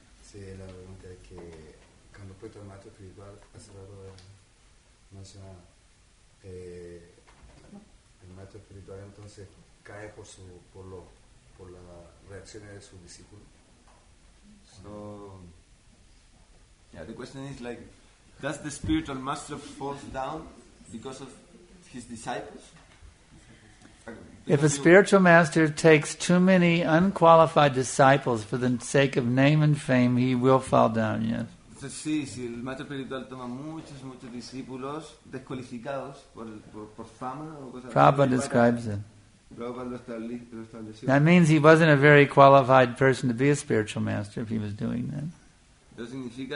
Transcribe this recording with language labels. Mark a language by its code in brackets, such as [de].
[es] Sí, la pregunta es que cuando fue tu maestro espiritual hace rato mencionado el maestro espiritual entonces cae por las reacciones de su discípulo. [en] So. Yeah, the question is like, does the spiritual master fall down because of his disciples? If a spiritual master takes too many unqualified disciples for the sake of name and fame, he will fall down, yes. [es] So, sí, si el maestro espiritual toma muchos, muchos discípulos descualificados por fama o cosas. [en] Prabhupada describes it. [es] Prabhupada lo estableció. [en] That means he wasn't a very qualified person to be a spiritual master if he was doing that.